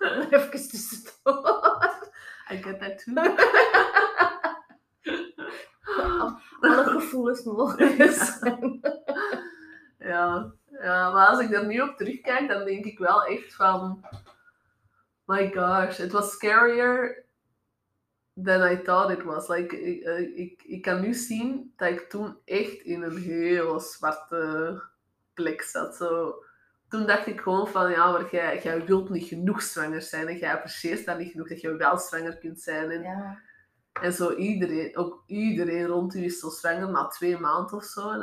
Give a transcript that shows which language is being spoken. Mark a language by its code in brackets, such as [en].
[nl] Even tussendoor. [en] I get that too. [nl] Alle gevoelens mogelijk zijn. Ja, maar als ik daar nu op terugkijk, dan denk ik wel echt van... [en] My gosh, it was scarier than I thought it was. [nl] Like, ik kan nu zien dat ik toen echt in een heel zwarte plek zat. So, toen dacht ik gewoon van, ja, maar jij wilt niet genoeg zwanger zijn. En jij apprecieert dat niet genoeg, dat je wel zwanger kunt zijn. En, ja. En zo iedereen, ook iedereen rond u is zo zwanger, na 2 maanden of zo.